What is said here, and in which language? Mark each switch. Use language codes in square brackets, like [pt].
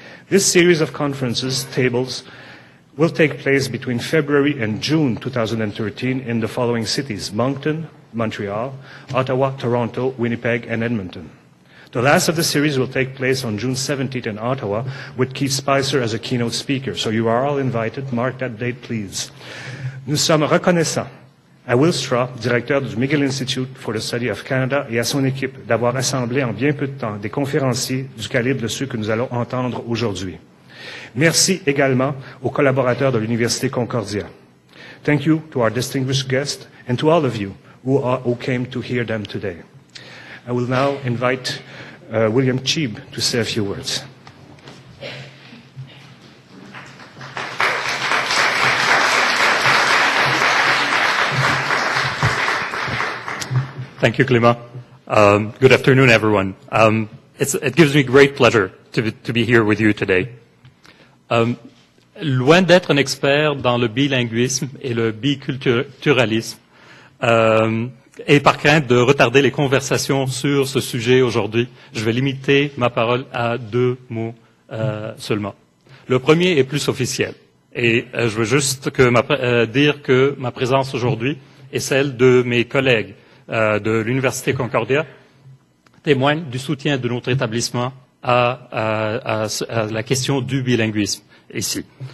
[en] This series of conferences, tables, will take place between February and June 2013 in the following cities: Moncton, Montreal, Ottawa, Toronto, Winnipeg, and Edmonton. The last of the series will take place on June 17th in Ottawa with Keith Spicer as a keynote speaker. So you are all invited. Mark that date, please. [fr] Nous sommes reconnaissants à Will Straw, directeur du McGill Institute for the Study of Canada, et à son équipe d'avoir assemblé en bien peu de temps des conférenciers du calibre de ceux que nous allons entendre aujourd'hui. Merci également aux collaborateurs de l'Université Concordia. [en] Thank you to our distinguished guests and to all of you who came to hear them today. I will now invite William Cheeb to say a few words. Thank you, Clément. Good afternoon, everyone. It gives me great pleasure to be here with you today. [fr] Loin d'être un expert dans le bilinguisme et le biculturalisme, et par crainte de retarder les conversations sur ce sujet aujourd'hui, je vais limiter ma parole à deux mots seulement. Le premier est plus officiel, et je veux juste dire que ma présence aujourd'hui et celle de mes collègues de l'Université Concordia témoignent du soutien de notre établissement à la question du bilinguisme ici.